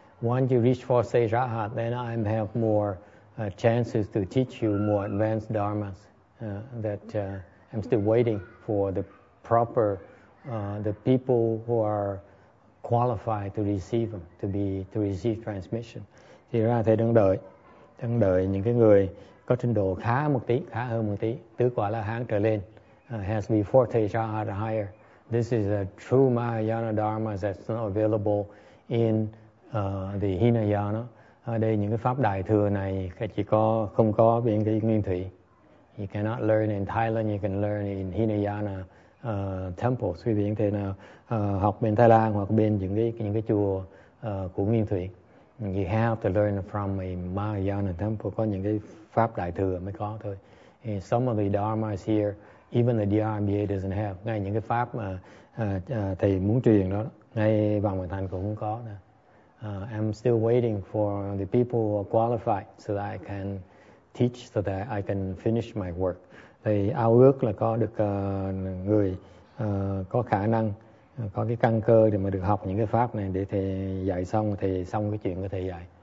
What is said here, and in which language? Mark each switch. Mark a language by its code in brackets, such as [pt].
[en] Once you reach for stage rahat, then I have more chances to teach you more advanced dharmas. I'm still waiting for the proper the people who are qualified to receive them, to receive transmission. [vi] Thì ra thầy đang đợi những cái người có trình độ khá hơn một tí tứ quả la hán trở lên, [en] has to be forte or higher. This is a true Mahayana dharma that's not available in the Hinayana. [vi] Ở đây những cái pháp đại thừa này chỉ có không có bên cái Nguyên Thủy. [en] You cannot learn in Thailand, you can learn in Hinayana temples. [vi] Quý vị có thể nào học bên Thái Lan hoặc bên những cái chùa của Nguyên Thủy. [en] You have to learn from a Mahayana temple. [vi] Có những cái pháp đại thừa mới có thôi. [en] And some of the dharmas here, even the DRMBA doesn't have. [vi] Ngay những cái pháp mà thầy muốn truyền đó, ngay Vọng Nguyện Thành cũng không có. [en] I'm still waiting for the people who are qualified so that I can teach, so that I can finish my work. [vi] Thầy ao ước là có được người có khả năng, có cái căn cơ để mà được học những cái pháp này để thầy dạy xong, thầy xong cái chuyện của thầy dạy.